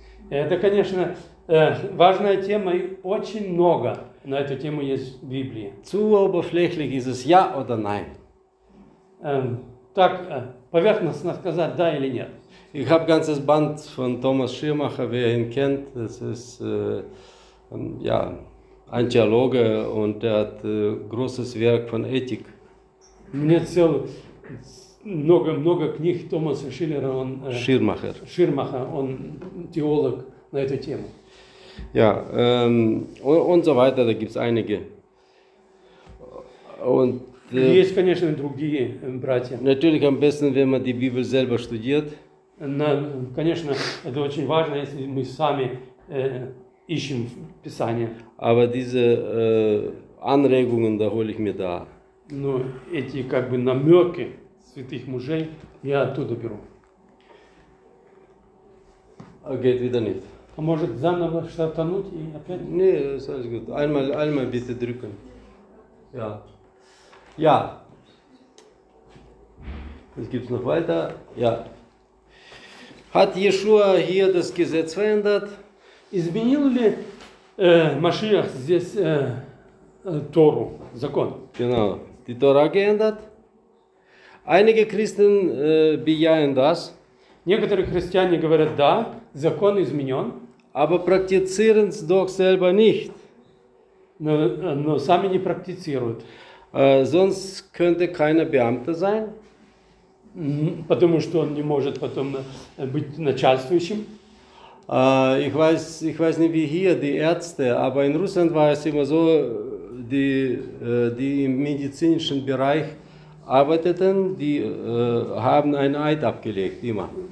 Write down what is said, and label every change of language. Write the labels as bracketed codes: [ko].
[ru] Это, конечно, важная тема и очень много на эту тему есть в Библии. [de] Zu oberflächlich ist es ja oder nein. [ru] Так, поверхностно сказать, да или нет. [de] Ich habe ganzes Band von Thomas Schirmacher, wer ihn kennt, das ist, ja, ein Theologe und er hat großes Werk von Ethik. [ru] Мне цел много книг Томаса Шиллера, он [de] Schirmacher. [ru] Schirmacher, он теолог на эту тему. [de] Ja, und so weiter, da gibt's einige. Und [ru] есть, конечно, другие братья. [de] Natürlich am besten, wenn man die Bibel selber studiert. [ru] Конечно, это очень важно, если мы сами ищем Писание. [de] Aber diese Anregungen, da hole ich mir da. [ru] Но эти как бы намеки святых мужей я оттуда беру. [de] Geht wieder nicht. [ru] А может заново стартануть и опять? [de] Не, alles gut. Einmal bitte drücken. Ja. Ja. Was gibt's noch weiter? Ja. Hat Yeshua hier das Gesetz verändert? [ru] Изменил ли Машиах здесь Тору, закон? [de] Genau. Die Tora geändert. Einige Christen bejahen das. [ru] Некоторые христиане говорят, да, закон изменен. [de] Aber praktizieren es doch selber nicht. [ru] Но сами не практицируют. [de] Sonst könnte keiner Beamter sein. [ru] Потому что он не может потом быть начальствующим. [de] Ich weiß nicht, wie hier die Ärzte, aber in Russland war es immer so, die im medizinischen Bereich arbeiteten, die haben ein Eid abgelegt, immer.